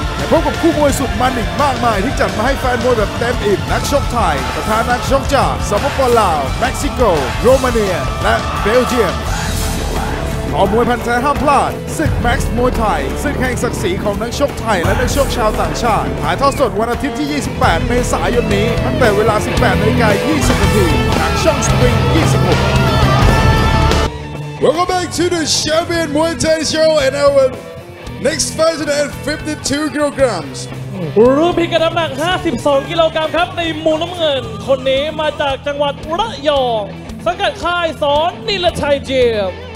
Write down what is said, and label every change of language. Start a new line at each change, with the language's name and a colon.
Thai: พบกับคู่มวยสุดมันอีกมากมายที่จัดมาให้แฟนมวยแบบเต็มอิ่มนักชกไทยประธานนักชกจากสปปลาวเม็กซิโกโรมาเนียและเบลเยียมขอมวยพันแท้ห้ามพลาดศึก Max มวยไทยซึ่งแห่งศักดิ์ศรีของนักชกไทยและนักชกชาวต่างชาติถ่ายทอดสดวันอาทิตย์ที่28เมษายนนี้ตั้งแต่เวลา 18:20 นทางช่อง Spring 26
English: Welcome back to the Champion Muay Thai Show and ourNext fighter at 52 kilograms.
Thai: รุ่นพิกัดน้ำหนัก52กิโลกรัมครับในมุมน้ำเงินคนนี้มาจากจังหวัดระยองสังกัดค่ายสอนนิรชัยเจียม